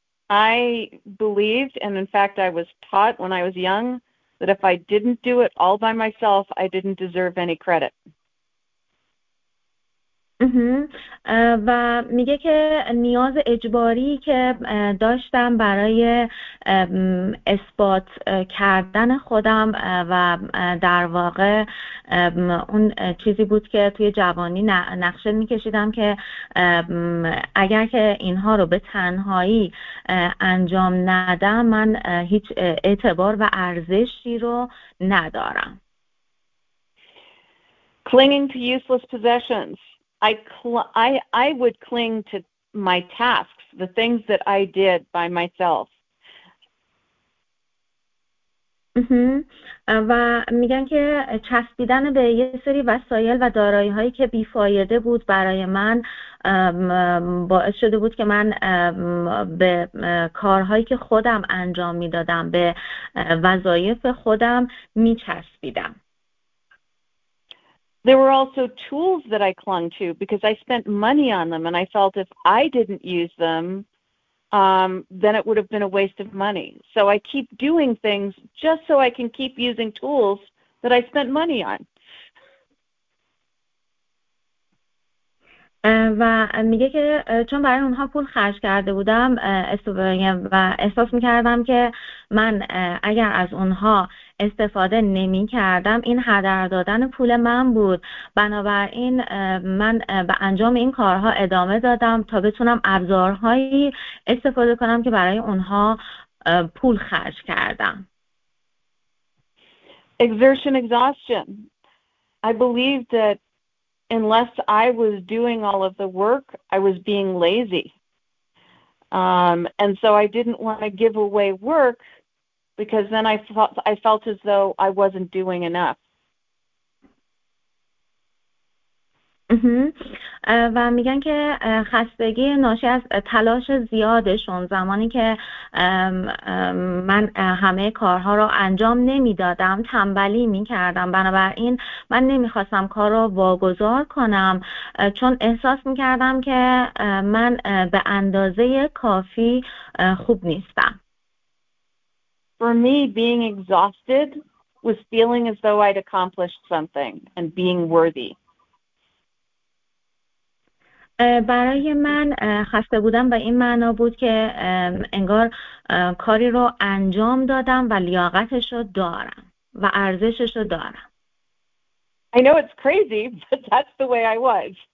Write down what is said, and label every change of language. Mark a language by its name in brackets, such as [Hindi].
[English] I believed, and in fact I was taught when I was young, that if I didn't do it all by myself, I didn't deserve any credit. [Persian] و میگه که نیاز اجباری که داشتم برای اثبات کردن خودم و در واقع اون چیزی بود که توی جوانی نقشه میکشیدم که اگر که اینها رو به تنهایی انجام ندم، من هیچ اعتبار و ارزشی رو ندارم. [English] Clinging to useless possessions. I would cling to my tasks, the things that I did by myself. [Persian] و میگن که چسبیدن به یه سری وسایل و دارایی هایی که بیفایده بود برای من باعث شده بود که من به کارهایی که خودم انجام میدادم، به وظایف خودم میچسبیدم. [English] There were also tools that I clung to because I spent money on them and I felt if I didn't use them, then it would have been a waste of money. So I keep doing things just so I can keep using tools that I spent money on. [Persian] و میگه که چون برای اونها پول خرج کرده بودم و احساس میکردم که من اگر از اونها استفاده نمی کردم، این هدر دادن پول من بود. بنابراین من به انجام این کارها ادامه دادم تا بتونم ابزارهایی استفاده کنم که برای اونها پول خرج کردم. [English] Exertion exhaustion. I believe that unless I was doing all of the work, I was being lazy. And so I didn't want to give away work because then I felt as though I wasn't doing enough. [Persian] و میگن که خستگی ناشی از تلاش زیادشون، زمانی که من همه کارها رو انجام نمیدادم تنبلی میکردم. بنابراین من نمیخواستم کار رو واگذار کنم چون احساس میکردم که من به اندازه کافی خوب نیستم. [English] For me, being exhausted was feeling as though I'd accomplished something and being worthy. [Persian] برای من خسته بودم و این معنا بود که انگار کاری رو انجام دادم و لیاقتش رو دارم و ارزشش رو دارم. [English] I know it's crazy, but that's the way I was.